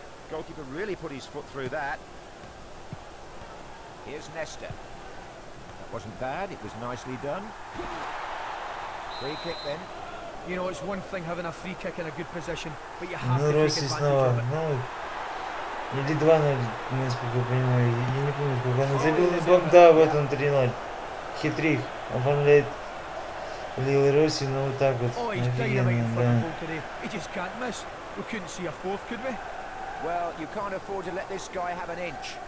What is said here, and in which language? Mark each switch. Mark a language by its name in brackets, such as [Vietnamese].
[English] Goalkeeper really put his foot through that. Here's Nesta. That wasn't bad. It was nicely done. Free kick then. You know, it's one thing having a free kick in a good position, but you have to take advantage of it. [Russian] Или 2-0, насколько я понимаю, я не помню, сколько он забил, но да, вот он 3-0. Хитрик оформляет Лилы Росси, но вот так вот, офигенно, да. [English] Well, you can't afford to let this guy have an inch.